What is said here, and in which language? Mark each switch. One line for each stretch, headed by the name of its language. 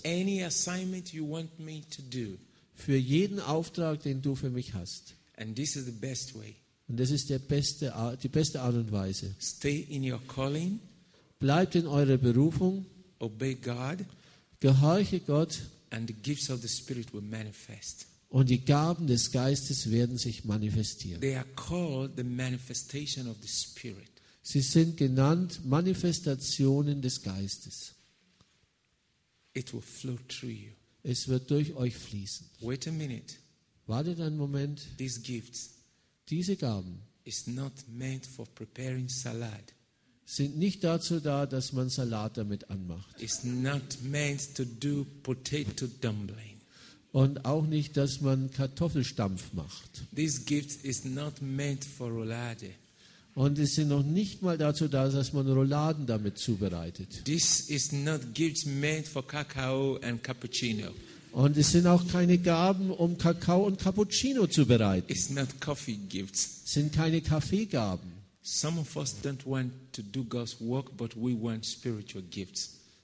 English: for any assignment you want me to do,
German: für jeden Auftrag, den du für mich hast.
English: And this is the best way.
German: Und das ist die beste Art und Weise.
English: Stay in your calling,
German: bleibt in eurer Berufung,
English: obey God,
German: gehorche Gott,
English: and the gifts of the Spirit will manifest.
German: Und die Gaben des Geistes werden sich manifestieren.
English: They are called the manifestation of the Spirit.
German: Sie sind genannt Manifestationen des Geistes.
English: It will flow through you.
German: Es wird durch euch fließen.
English: Wait a minute.
German: Wartet einen Moment.
English: These gifts,
German: diese Gaben,
English: is not meant for preparing salad,
German: sind nicht dazu da, dass man Salat damit anmacht.
English: It's not meant to do potato dumpling.
German: Und auch nicht, dass man Kartoffelstampf macht.
English: This gift is not meant for roulade.
German: Und es sind noch nicht mal dazu da, dass man Rouladen damit zubereitet.
English: This is not gifts meant for Kakao and Cappuccino.
German: Und es sind auch keine Gaben, um Kakao und Cappuccino zu bereiten.
English: It's not coffee gifts.
German: Sind keine Kaffeegaben.
English: Some of us don't want to do God's work, but we want spiritual gifts.